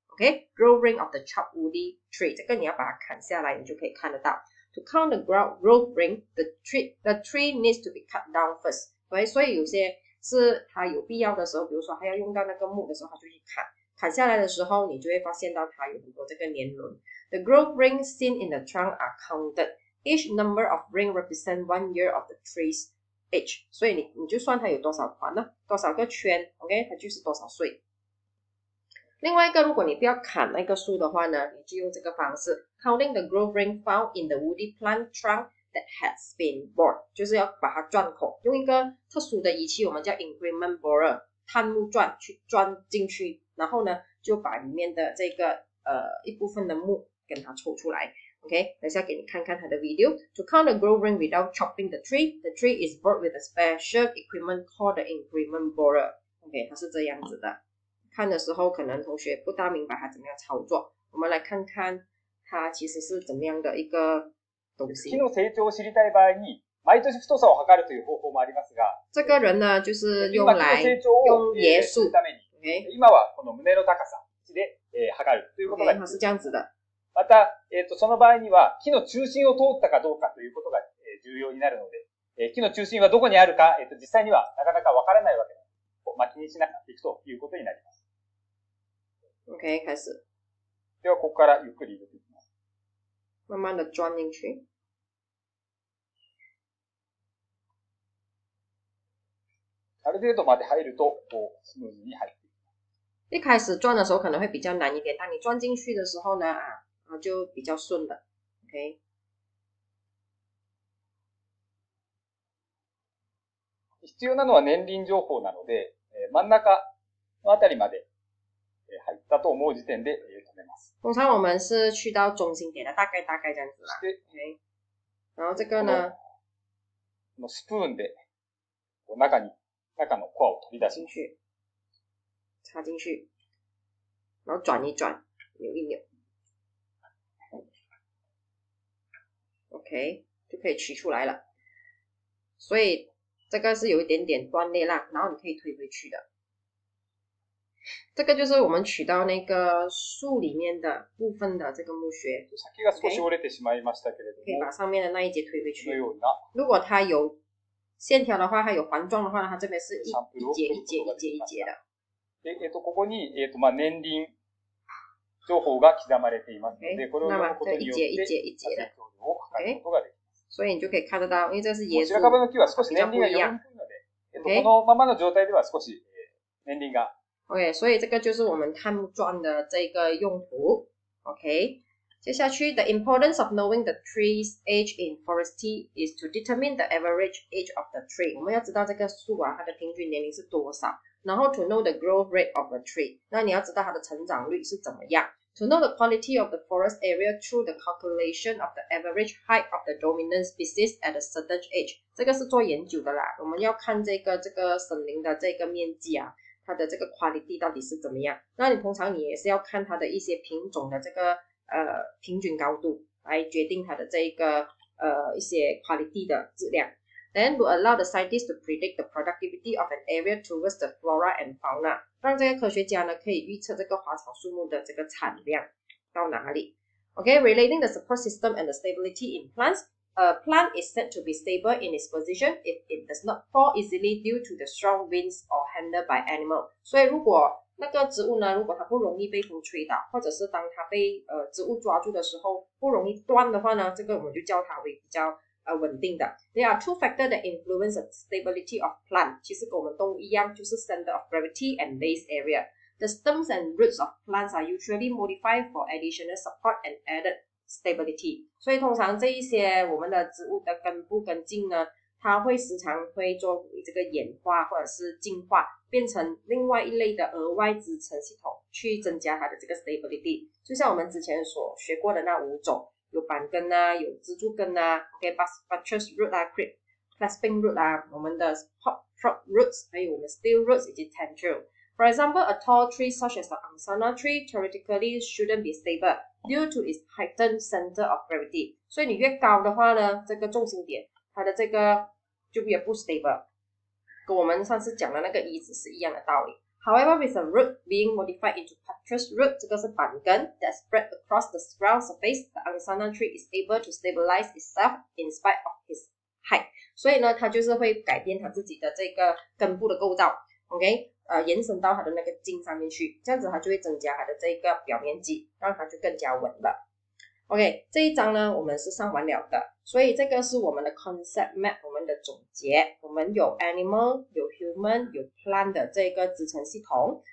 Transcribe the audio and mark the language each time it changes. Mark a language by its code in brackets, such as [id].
[en] OK， growth ring of the chopped woody tree， [zh] 这个你要把它砍下来，你就可以看得到。 [en] To count the growth ring， the tree needs to be cut down first。 [zh] 对，所以有些是它有必要的时候，比如说它要用到那个木的时候，它就去砍。砍下来的时候，你就会发现到它有很多这个年轮。 [en] The growth ring seen in the trunk are counted。 Each number of ring represent 1 year of the tree's age. [zh] 所以你就算它有多少环呢？多少个圈 ？OK， 它就是多少岁。另外一个，如果你不要砍那个树的话呢，你就用这个方式 [en] counting the growth ring found in the woody plant trunk that has been bored， [zh] 就是要把它钻孔，用一个特殊的仪器，我们叫 increment borer， 探木钻去钻进去，然后呢就把里面的这个一部分的木给它抽出来。 OK， 等下给你看看他的 video。 [en] To count the growth ring without chopping the tree is bored with a special equipment called the increment borer。 [zh] OK， 它是这样子的。看的时候可能同学不大明白它怎么样操作。我们来看看它其实是怎么样的一个东西。 [ja] 木の成長を知りたい場合に、毎年太さを測るという方法もありますが、 [zh] 这个人呢就是用来用耶稣 [ja] ために、今はこの胸の高さで測るということが、 [zh] 它是这样子的。 [ja] また、その場合には木の中心を通ったかどうかということが重要になるので、木の中心はどこにあるか、実際にはなかなかわからないわけです。まあ、気にしなくていくということになります。 OK、開始。ではここからゆっくり入れていきます。 [zh] 慢慢的钻进去。 [ja] ある程度まで入るとこうスムーズに入っていきます。 [zh] 一开始钻的时候可能会比较难一点，当你钻进去的时候呢？它就比较顺的 ，OK。 [ja] 必要なのは年輪情報なので、真ん中のあたりまで入ったと思う時点で止めます。 [zh] 通常我们是去到中心点的，大概这样子啦。 OK。 然后这个呢？ [ja] このスプーンで中のコアを取り出し [zh] 进去，插进去，然后转一转，扭一扭。 OK， 就可以取出来了。所以这个是有一点点断裂啦，然后你可以推回去的。这个就是我们取到那个树里面的部分的这个木屑。 [ja] 先が少し折れてしまいましたけれども。 [zh] 可以把上面的那一节推回去。 [ja] このような。 [zh] 如果它有线条的话，它有环状的话，它这边是一节一节一节一节的。 [ja] ここに、まあ、年輪情報が刻まれていますので、 [en] okay. [ja] これを読むことによって、一節一節を書くことができます。 [zh] 所以你就可以看得到、因为这是耶稣。 [ja] 白樺の木は少し年輪が読みにくいので、このままの状態では少し年輪が。 [zh] OK, 所以这个就是我们碳木篆的这个用途。 [en] OK, [zh] 接下去 [en] ,the importance of knowing the tree's age in forest tea is to determine the average age of the tree. [zh] 我们要知道这个树啊它的平均年龄是多少。然后 [en] to know the growth rate of a tree, [zh] 那你要知道它的成长率是怎么样。 [en] To know the quality of the forest area through the calculation of the average height of the dominant species at a certain age. [zh] 这个是做研究的啦，我们要看这个森林的这个面积啊。它的这个 quality 到底是怎么样，那你通常你也是要看它的一些品种的这个平均高度来决定它的这个一些 quality 的质量。 [en] Then to allow the scientists to predict the productivity of an area towards the flora and fauna, [zh] 让这个科学家呢可以预测这个花草树木的这个产量到哪里。 [en] OK, relating the support system and the stability in plants, a plant is said to be stable in its position if it does not fall easily due to the strong winds or handled by animal. [zh] 所以如果那个植物呢，如果它不容易被风吹倒，或者是当它被植物抓住的时候不容易断的话呢，这个我们就叫它为比较稳定的。 [en] There are two factors that influence the stability of plant. [zh] 其实跟我们动物一样，就是 [en] center of gravity and base area. The stems and roots of plants are usually modified for additional support and added stability. [zh] 所以通常这一些我们的植物的根部跟茎呢，它会时常会做这个演化或者是进化，变成另外一类的额外支撑系统，去增加它的这个 stability。就像我们之前所学过的那五种，有板根啊，有支柱根啊， okay, buttress root 啊， clasping root 啊，我们的 prop roots， 还有我们 steel roots 以及 tendril。 [en] For example, a tall tree such as the angsana tree theoretically shouldn't be stableDue to its heightened center of gravity. [zh] 所以你越高的话呢，这个重心点它的这个就越不 stable， 跟我们上次讲的那个椅子是一样的道理。 [en] However, with a root being modified into buttress root, [zh] 这个是板根 [en] that spread across the ground surface, the angsana tree is able to stabilize itself in spite of its height. [zh] 所以呢它就是会改变它自己的这个根部的构造， OK? 延伸到它的那个茎上面去，这样子它就会增加它的这个表面积，让它就更加稳了。 OK, 这一章呢我们是上完了的，所以这个是我们的 concept map, 我们的总结，我们有 animal, 有 human, 有 plant 的这个支撑系统。